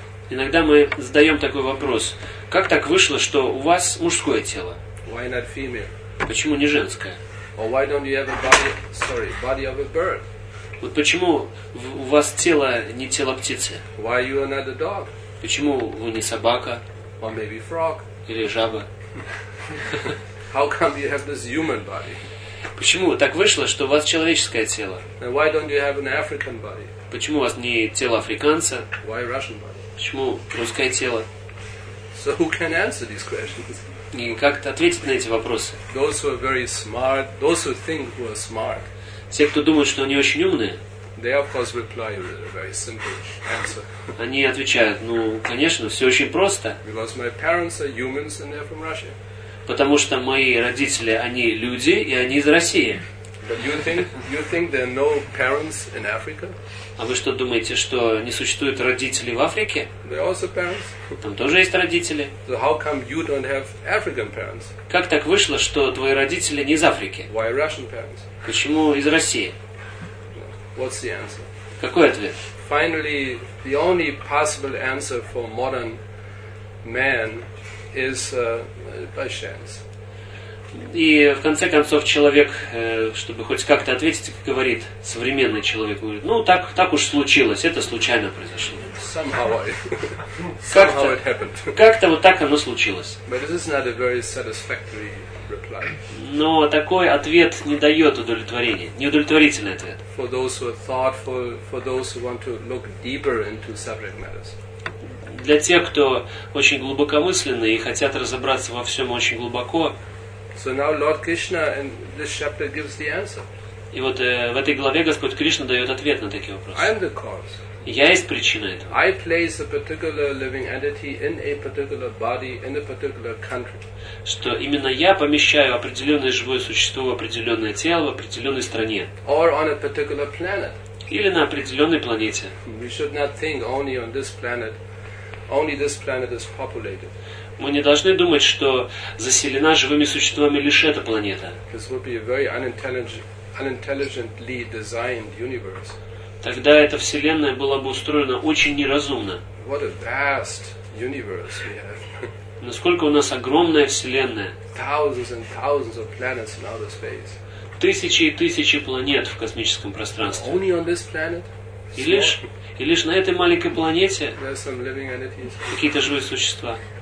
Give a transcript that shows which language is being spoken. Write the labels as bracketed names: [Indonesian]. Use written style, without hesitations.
[Russian] Иногда мы задаем такой вопрос: как так вышло, что у вас мужское тело? [English] Why not female? [Russian] Почему не женское? [English] Or why don't you have a body of a bird? [Russian] Вот почему у вас тело не тело птицы? [English] Why you are not a dog? [Russian] Почему вы не собака? [English] Or maybe frog? [Russian] Или жаба? [English] How come you have this human body? [Russian] Почему так вышло, что у вас человеческое тело? [English] And why don't you have an African body? [Russian] Почему у вас не тело африканца? [English] Why Russian body? [Russian] Почему русское тело? [English] So who can answer these questions? [Russian] И как ответить на эти вопросы? [English] Those who are very smart, those who think who are smart. [Russian] Те, кто думают, что они очень умные, [English] they of course reply with a very simple answer. [Russian] Они отвечают: ну, конечно, все очень просто. [English] Because my parents are humans and they're from Russia. [Russian] Потому что мои родители, они люди, и они из России. [English] But you think there are no parents in Africa? [Russian] А вы что думаете, что не существует родителей в Африке? [English] There are also parents. [Russian] Там тоже есть родители. [English] So how come you don't have African parents? [Russian] Как так вышло, что твои родители не из Африки? [English] Why Russian parents? [Russian] Почему из России? [English] What's the answer? [Russian] Какой ответ? [English] Finally, the only possible answer for modern man is by chance. [Russian] И в конце концов человек, чтобы хоть как-то ответить, говорит, современный человек говорит: ну так уж случилось, это случайно произошло. Как-то вот так оно случилось. [English] But this is not a very satisfactory reply. [Russian] Но такой ответ не дает удовлетворения, неудовлетворительный ответ. [English] For those who are thoughtful, for those who want to look deeper into subject matters. [Russian] Для тех, кто очень глубокомысленный и хотят разобраться во всем очень глубоко. [English] So now Lord Krishna in this chapter gives the answer. [Russian] И вот в этой главе Господь Кришна дает ответ на такие вопросы. [English] I am the cause. [Russian] Я есть причина этого. [English] I place a particular living entity in a particular body in a particular country. [Russian] Что именно я помещаю определенное живое существо в определенное тело в определенной стране. [English] Or on a particular planet. [Russian] Или на определенной планете. [English] We should not think only on this planet. Only this planet is populated. [Russian] Мы не должны думать, что заселена живыми существами лишь эта планета. [English] This would be a very unintelligently designed universe. [Russian] Тогда эта вселенная была бы устроена очень неразумно. [English] What a vast universe we have. [Russian] Насколько у нас огромная вселенная. [English] Thousands and thousands of planets in outer space. [Russian] Тысячи и тысячи планет в космическом пространстве. [English] Only on this planet? [Russian] И лишь на этой маленькой планете какие-то живые существа.